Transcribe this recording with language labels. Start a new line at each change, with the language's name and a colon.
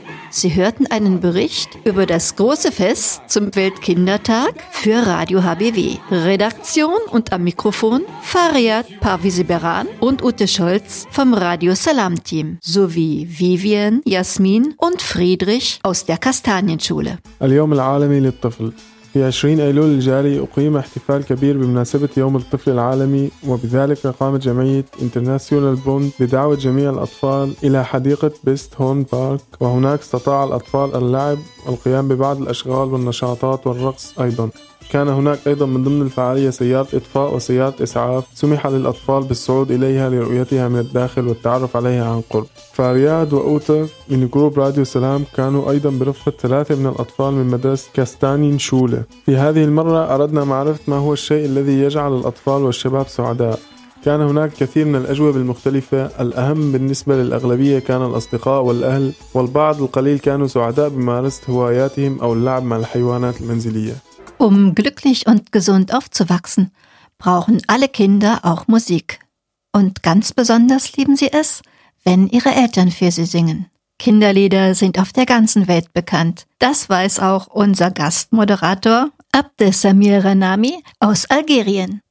German: Sie hörten einen Bericht über das große Fest zum Weltkindertag für Radio HBW. Redaktion und am Mikrofon Fariat Parviseberan und Ute Scholz vom Radio Salam-Team sowie Vivian, Jasmin und Friedrich aus der Kastanienschule.
Arabic: اليوم العالمي للطفل. في 20 أيلول الجاري أقيم احتفال كبير بمناسبة يوم الطفل العالمي وبذلك قامت جمعية International Bund بدعوة جميع الأطفال إلى حديقة بيست هون بارك وهناك استطاع الأطفال اللعب والقيام ببعض الأشغال والنشاطات والرقص أيضا كان هناك أيضا من ضمن الفعالية سيارة إطفاء وسيارة إسعاف سمح للأطفال بالصعود إليها لرؤيتها من الداخل والتعرف عليها عن قرب فارياد وأوتا من جروب راديو سلام كانوا أيضا برفقة ثلاثة من الأطفال من مدرسة كاستانين شولة في هذه المرة أردنا معرفة ما هو الشيء الذي يجعل الأطفال والشباب سعداء كان هناك كثير من الأجوبة المختلفة الأهم بالنسبة للأغلبية كان الأصدقاء والأهل والبعض القليل كانوا سعداء بممارسة هواياتهم أو اللعب مع الحيوانات المنزلية
German: Um glücklich und gesund aufzuwachsen, brauchen alle Kinder auch Musik. Und ganz besonders lieben sie es, wenn ihre Eltern für sie singen. Kinderlieder sind auf der ganzen Welt bekannt. Das weiß auch unser Gastmoderator Abdessamir Renami aus Algerien.